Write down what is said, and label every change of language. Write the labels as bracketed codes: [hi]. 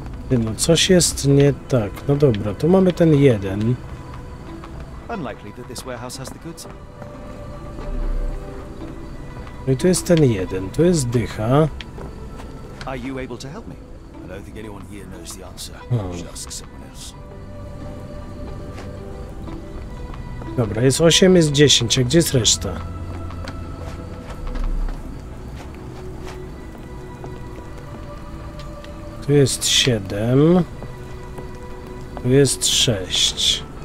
[pl] No coś jest nie tak. No dobra, tu mamy ten jeden. [en] Unlikely that this warehouse has the goods. [pl] No i tu jest ten jeden, tu jest dycha. [en] Are you able to help me? I don't think anyone here knows the answer. You should ask someone else. [pl] Dobra, jest 8, jest 10, a gdzie jest reszta? Tu jest 7. Tu jest 6.